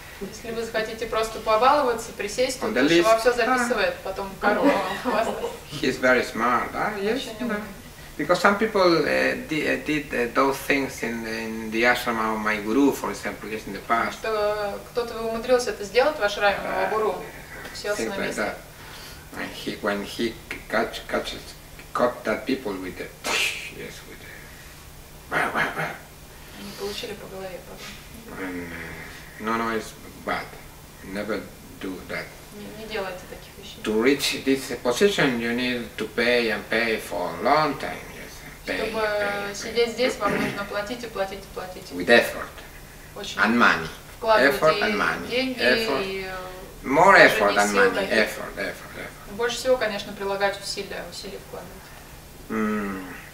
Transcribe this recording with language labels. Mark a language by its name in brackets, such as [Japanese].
[Russian] Если вы захотите просто побаловаться, присесть, то Шива все записывает, потом карма вас. [English] He's very smart, yes. Because some people did those things in the ashram of my guru, for example, just in the past. [Russian] Что кто-то умудрился это сделать в ашраме моего гуру? Сел на месте. [English] When he caught that people with the push, yes, with the. [Russian] Они получили по голове потом. [English] No, it's bad. Never do that. [Russian] Не делайте таких вещей. [English] To reach this position, you need to pay for a long time. [Russian] Чтобы сидеть здесь, вам нужно платить. [English] With effort. [Russian] Очень [English] and money. [Russian] Вкладывайте [English] effort [Russian] и [English] and money. More effort and money. [Russian] Таких. [English] Effort. [Russian] Больше всего, конечно, прилагать усилия вкладывать.